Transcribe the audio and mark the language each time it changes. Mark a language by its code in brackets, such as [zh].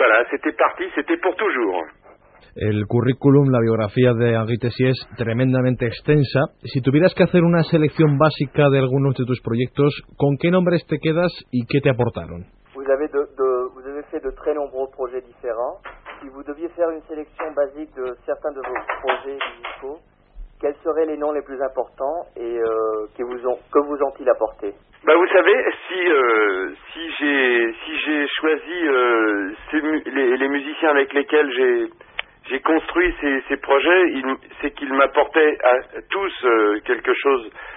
[fr] C'était parti, c'était pour toujours. [es] El currículum, la biografía de Henri Tessier es tremendamente extensa. Si tuvieras que hacer una selección básica de algunos de tus proyectos, ¿con qué nombres te quedas y qué te aportaron? [fr] Vous avez fait de très nombreux projets différents. Si vous deviez faire une sélection basique de certains de vos projets musicaux, quels seraient les noms les plus importants et que vous ont-ils apporté? Vous savez, si j'ai choisi les musiciens avec lesquels j'ai construit ces projets, c'est qu'ils m'apportaient à tous quelque chose.